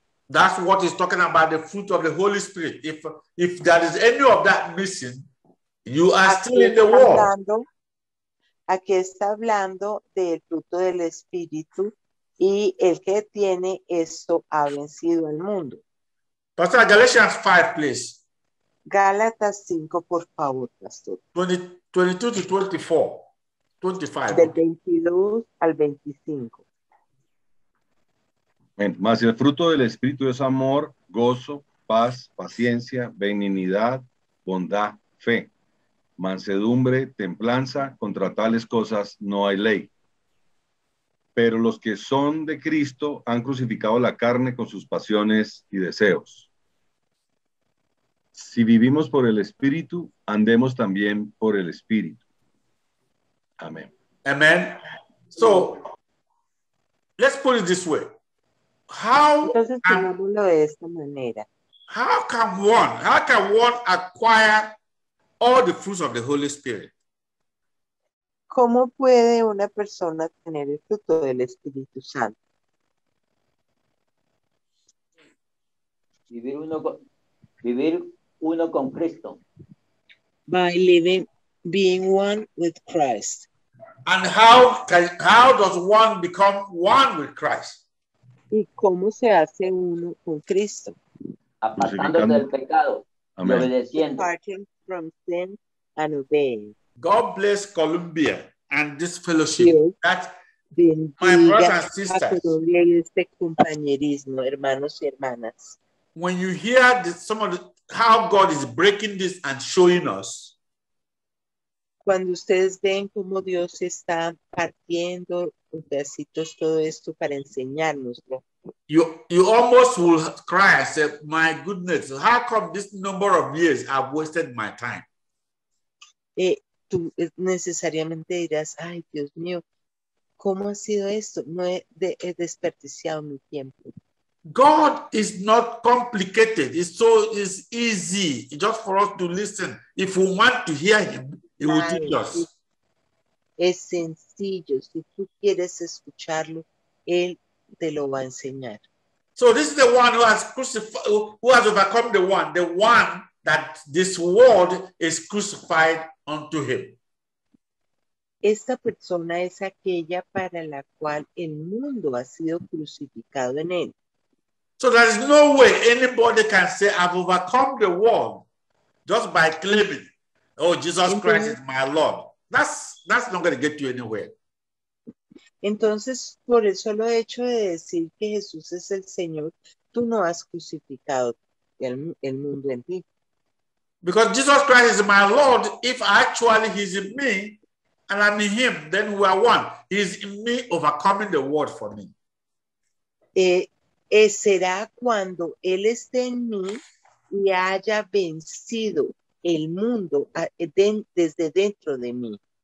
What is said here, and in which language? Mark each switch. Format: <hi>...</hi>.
<en>That's what he's talking about, the fruit of the Holy Spirit. If there is any of that missing, you are still in the world.</en> <es>Aquí está hablando del fruto del espíritu y el que tiene esto ha vencido el mundo.</es> <en>Pastor, Galatians 5, please.</en> <es>Gálatas 5, por favor, Pastor.</es> <en>22 to 25.</en> <es>Del 22 al 25. Mas el fruto del Espíritu es amor, gozo, paz, paciencia, benignidad, bondad, fe, mansedumbre, templanza. Contra tales cosas no hay ley. Pero los que son de Cristo han crucificado la carne con sus pasiones y deseos. Si vivimos por el Espíritu, andemos también por el Espíritu. Amén. Amén.</es> <en>So, let's put it this way.</en> <es>Entonces, pongámoslo de esta manera.</es> <en>How can one acquire all the fruits of the Holy Spirit?</en> <es>¿Cómo puede una persona tener el fruto del Espíritu Santo? Vivir uno con Cristo.</es> <en>By living, being one with Christ. And how does one become one with Christ?</en> <es>¿Y cómo se hace uno con Cristo? Apartándose del pecado. Amen. Obedeciendo.</es> <en>Departing from sin and obeying. God bless Colombia and this fellowship. That my brothers and sisters. When you hear how God is breaking this and showing us.</en> <es>Cuando ustedes ven cómo Dios está partiendo los pedacitos todo esto para enseñárnoslo.</es> <en>You almost will cry and say, my goodness, how come this number of years I've wasted my time?</en> <es>Tú necesariamente dirás, ay, Dios mío, ¿cómo ha sido esto? No he desperdiciado mi tiempo.</es> <en>God is not complicated. It's easy just for us to listen. If we want to hear him, It will teach us.</en> <es>Es sencillo. Si tú quieres escucharlo, él te lo va a enseñar.</es> <en>So this is the one who has crucified, who has overcome the one that this world is crucified unto him.</en> <es>Esta persona es aquella para la cual el mundo ha sido crucificado en él.</es> <en>So there is no way anybody can say I've overcome the world just by claiming, oh, Jesus Christ is my Lord. That's not going to get you anywhere.</en> <es>Entonces, por el solo hecho de decir que Jesús es el Señor, tú no has crucificado el mundo en ti.</es> <en>Because Jesus Christ is my Lord, if actually he's in me and I'm in him, then we are one. He's in me overcoming the world for me.</en> <es>Será cuando él esté en mí y haya vencido el mundo desde dentro de mí.</es>